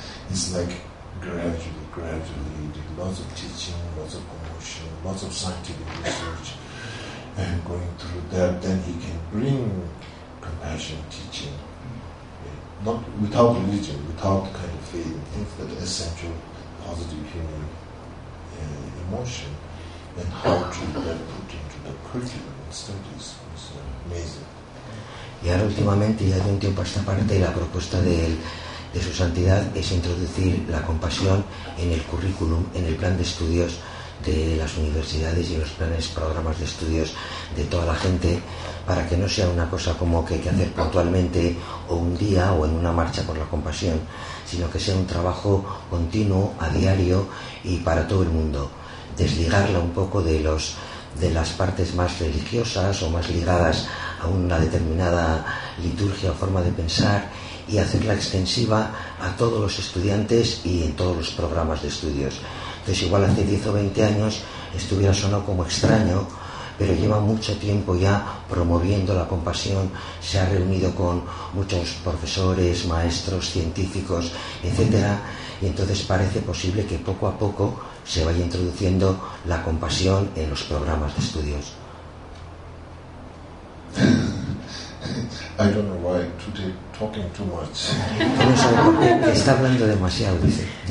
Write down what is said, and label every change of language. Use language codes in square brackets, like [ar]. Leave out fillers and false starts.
[en] It's like gradually, did lots of teaching, lots of promotion, lots of scientific research, and going through that, then he can bring compassion teaching, not without religion, without kind of faith, but essential positive human emotion, and how to then put into the curriculum and studies is amazing. [es] Y ahora últimamente, ya de un tiempo a esta parte, la propuesta de él, de su santidad, es introducir la compasión en el currículum, en el plan de estudios de las universidades y los planes, programas de estudios de toda la gente, para que no sea una cosa como que hay que hacer puntualmente o un día o en una marcha por la compasión, sino que sea un trabajo continuo, a diario y para todo el mundo. Desligarla un poco de los de las partes más religiosas o más ligadas a una determinada liturgia o forma de pensar, y hacerla extensiva a todos los estudiantes y en todos los programas de estudios. Entonces, igual hace 10 o 20 años estuviera sonó como extraño, pero lleva mucho tiempo ya promoviendo la compasión, se ha reunido con muchos profesores, maestros, científicos, etcétera, y entonces parece posible que poco a poco se vaya introduciendo la compasión en los programas de estudios. [en] I don't know why today talking too much. [es] No sé por qué está hablando demasiado, dice.